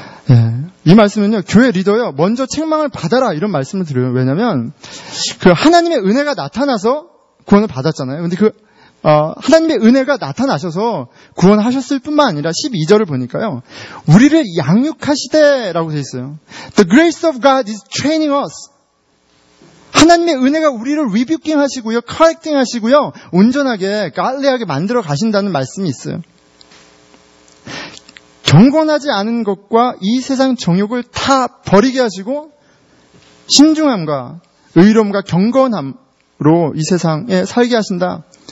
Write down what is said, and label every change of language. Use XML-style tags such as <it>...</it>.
<ko>예, 이 말씀은요, 교회 리더요, 먼저 책망을 받아라, 이런 말씀을 드려요. 왜냐하면 그 하나님의 은혜가 나타나서 구원을 받았잖아요. 그런데 그 하나님의 은혜가 나타나셔서 구원하셨을 뿐만 아니라 12절을 보니까요, 우리를 양육하시되라고 되어 있어요.</ko> <en>The grace of God is training us.</en> <ko>하나님의 은혜가 우리를 리뷰킹 하시고요, 커렉팅 하시고요, 온전하게 갈리하게 만들어 가신다는 말씀이 있어요. 경건하지 않은 것과 이 세상 정욕을 다 버리게 하시고 신중함과 의로움과 경건함으로 이 세상에 살게 하신다.</ko>